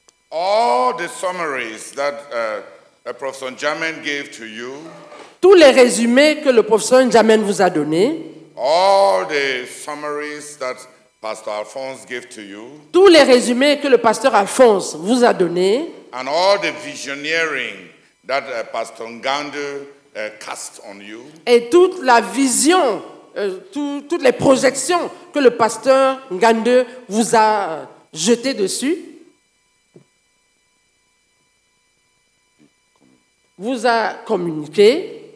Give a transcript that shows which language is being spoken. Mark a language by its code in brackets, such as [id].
[en] All the summaries that Professor Njamin gave to you. [fr] Tous les résumés que le professeur Njamin vous a donné. [en] All the summaries that Pastor Alphonse gave to you. [fr] Tous les résumés que le pasteur Alphonse vous a donné. [en] And all the visioneering that Pastor Ngandu cast on you. [fr] Et toute la vision, toutes les projections que le pasteur Ngandu vous a jeté dessus. Vous a communiqué.